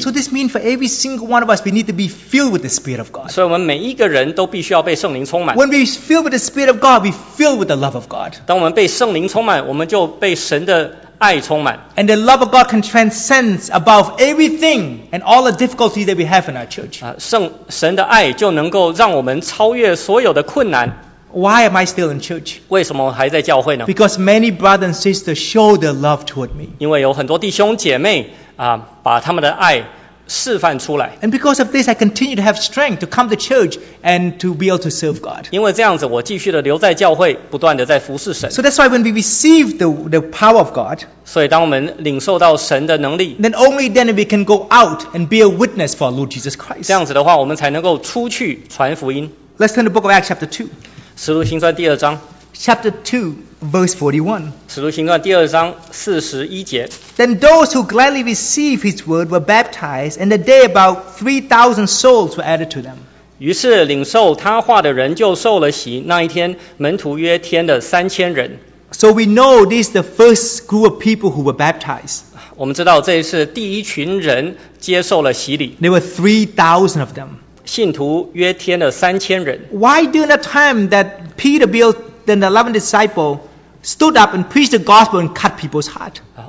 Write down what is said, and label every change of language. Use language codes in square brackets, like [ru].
[en] So this means for every single one of us, we need to be filled with the Spirit of God. [zh] 所以我们每一个人都必须要被圣灵充满。 [en] When we fill with the Spirit of God, we fill with the love of God. [zh] 当我们被圣灵充满，我们就被神的 [en] And the love of God can transcend above everything and all the difficulty that we have in our church. [zh] 神的爱就能够让我们超越所有的困难。 [en] Why am I still in church? [zh] 为什么还在教会呢? [en] Because many brothers and sisters show their love toward me. [zh] 因为有很多弟兄姐妹, 把他们的爱 [en] And because of this, I continue to have strength to come to church and to be able to serve God. [zh] 因为这样子，我继续的留在教会，不断的在服侍神。 [en] So that's why when we receive the power of God, [zh] 所以当我们领受到神的能力, [en] then only then we can go out and be a witness for our Lord Jesus Christ. [zh] 这样子的话，我们才能够出去传福音。 [en] Let's turn to the book of Acts chapter 2. [zh] 使徒行传第二章。 [en] Chapter 2, verse 41. [zh] 使徒行传第二章41节。 [en] Then those who gladly received his word were baptized, and the day about 3,000 souls were added to them. [zh] 于是领受他话的人就受了洗，那一天门徒约添了3,000人。 [en] So we know this is the first group of people who were baptized. [zh] 我们知道这是第一群人接受了洗礼。 [en] There were 3,000 of them. [zh] 信徒约添了3,000人。 [en] Why during the time that Peter built Then the 11 disciples stood up and preached the gospel and cut people's heart.